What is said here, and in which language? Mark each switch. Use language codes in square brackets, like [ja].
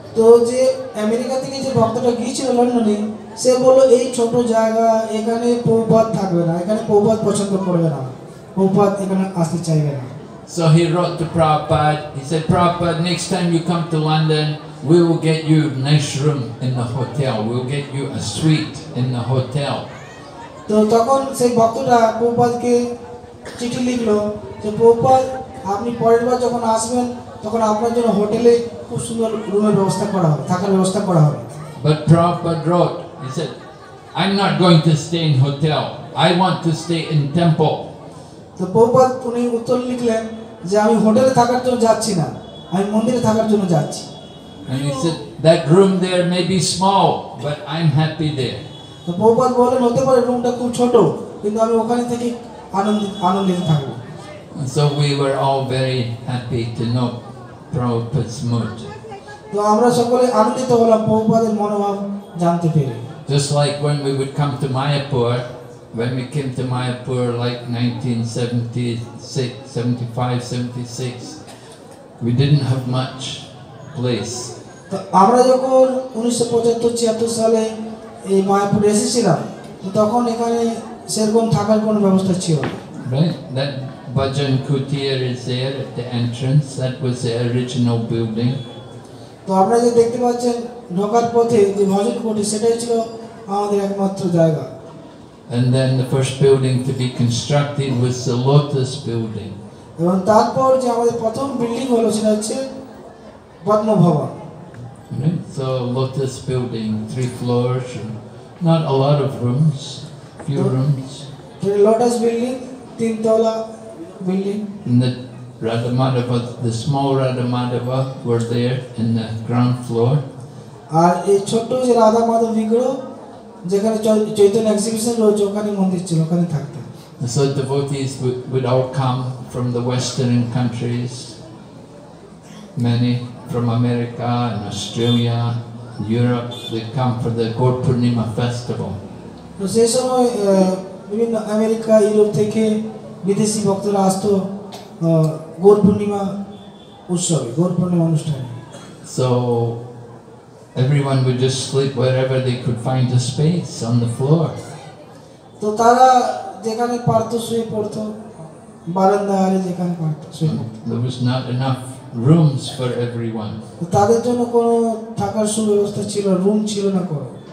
[bn] তো যে আমেরিকা থেকে যে ভক্তটা গিয়েছিল লন্ডনে সে বললো এই ছোট জায়গা এখানে প্রভুপাদ থাকবে না এখানে প্রভুপাদ পছন্দ করবে না প্রভুপাদ এখানে আসতে চাইবে না [en] So he wrote to Prabhupada, he said, Prabhupada, next time you come to London, we will get you a nice room in the hotel, we will get you a suite in the hotel. [bn] তো তখন সেই ভক্তটা প্রভুপাদকে চিঠি লিখলো যে প্রভুপাদ আপনি পরের বার যখন আসবেন তখন আপনার জন্য হোটেলে খুব সুন্দর রুমের ব্যবস্থা করা হবে থাকার ব্যবস্থা করা হবে [en] But Prabhupada wrote, he said, I'm not going to stay in hotel. I want to stay in temple. [bn] So Prabhupada উনি উত্তর লিখলেন যে আমি হোটেলে থাকার জন্য যাচ্ছি না আমি মন্দিরে থাকার জন্য যাচ্ছি [en] And he said, that room there may be small, but I'm happy there. [bn] So Prabhupada বললেন হতে পারে রুমটা খুব ছোট কিন্তু আমি ওখানে থেকে আনন্দিত থাকব [en] So we were all very happy to know Prabhupada's mood. [bn] তো আমরা সকলে আনন্দিত হলাম প্রভুপাদের মনোভাব জানতে পেরে [en] just like when we would come to Mayapur when we came to Mayapur like 1976 75 76 we didn't have much place [bn] তো আমরা যখন 1975 76 সালে এই মায়াপুর এসেছিলাম তখন এখানে সেরকম থাকার কোনো ব্যবস্থা ছিল না [en] right that bhajan kutir is there at the entrance that was the original building [bn] তো আপনারা যে দেখতে পাচ্ছেন ঢোকার পথে যে ভজন কোটি সেটাই ছিল আমাদের একমাত্র জায়গা [en] and then the first building to be constructed was the lotus building [bn] এবং তারপর যে আমাদের প্রথম বিল্ডিং হলো সেটা হচ্ছে পদ্ম ভবন [en] so lotus building three floors and not a lot of rooms few rooms the lotus building [bn] তিন তলা building [en] Radhamadava, the small Radhamadava were there in the ground floor. [bn] আর এই ছোট যে রাধা মাধব বিগ্রহ যেখানে চৈতন্য এক্সিবিশন রয়েছে ওখানে মন্দির ছিল ওখানে থাকতো [en] so devotees would all come from the western countries many from America and Australia Europe they come for the Gaur Purnima festival [bn] তো সেই সময় বিভিন্ন আমেরিকা ইউরোপ থেকে বিদেশি ভক্তরা আসতো গৌর পূর্ণিমা উৎসবে গৌর পূর্ণিমা অনুষ্ঠানে [en] so everyone would just sleep wherever they could find a space on the floor [bn] তো তারা যেখানে পারতো শুয়ে পড়তো বারান্দায় যেখানে পারতো শুয়ে পড়তো [en] there was not enough rooms for everyone [bn] তাদের জন্য কোনো থাকার সুব্যবস্থা ছিল রুম ছিল না কোনো